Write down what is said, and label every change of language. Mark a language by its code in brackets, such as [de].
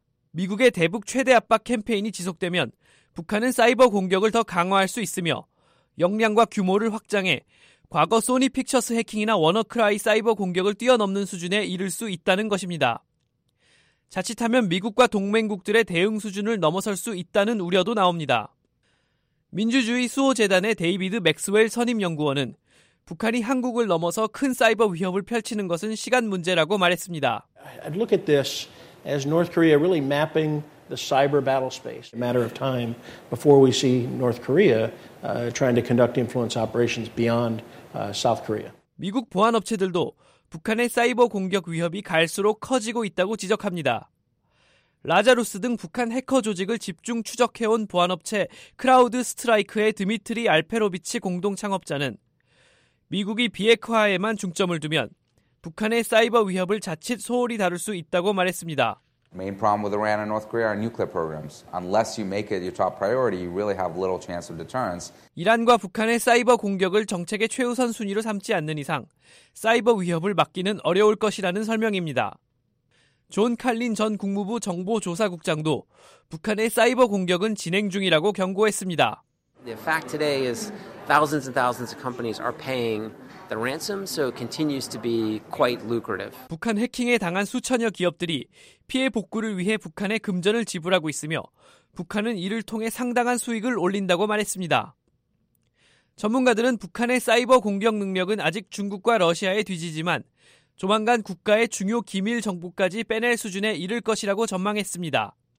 [ko] 미국의 대북 최대 압박 캠페인이 지속되면 북한은 사이버 공격을 더 강화할 수 있으며 역량과 규모를 확장해 과거 소니 픽처스 해킹이나 워너크라이 사이버 공격을 뛰어넘는 수준에 이를 수 있다는 것입니다. 자칫하면 미국과 동맹국들의 대응 수준을 넘어설 수 있다는 우려도 나옵니다. 민주주의 수호재단의 데이비드 맥스웰 선임연구원은 북한이 한국을 넘어서 큰 사이버 위협을 펼치는 것은 시간 문제라고 말했습니다. [en] I'd look at this as North Korea really mapping the cyber battle space. A matter of time before we see North Korea trying to conduct influence operations beyond South Korea. [ko] 미국 보안 업체들도 북한의 사이버 공격 위협이 갈수록 커지고 있다고 지적합니다. 라자루스 등 북한 해커 조직을 집중 추적해온 보안업체 크라우드 스트라이크의 드미트리 알페로비치 공동 창업자는 미국이 비핵화에만 중점을 두면 북한의 사이버 위협을 자칫 소홀히 다룰 수 있다고 말했습니다. [en] Main problem with Iran and North Korea are nuclear programs. Unless you make it your top priority, you really have little chance of deterrence. [ko] 이란과 북한의 사이버 공격을 정책의 최우선 순위로 삼지 않는 이상 사이버 위협을 막기는 어려울 것이라는 설명입니다. 존 칼린 전 국무부 정보조사국장도 북한의 사이버 공격은 진행 중이라고 경고했습니다. [en] The fact today is thousands and thousands of companies are paying the ransom, so it continues to be quite lucrative. [ko] 북한 해킹에 당한 수천여 기업들이 피해 복구를 위해 북한에 금전을 지불하고 있으며 북한은 이를 통해 상당한 수익을 올린다고 말했습니다. 전문가들은 북한의 사이버 공격 능력은 아직 중국과 러시아에 뒤지지만 조만간 국가의 중요 기밀 정보까지 빼낼 수준에 이를 것이라고 전망했습니다.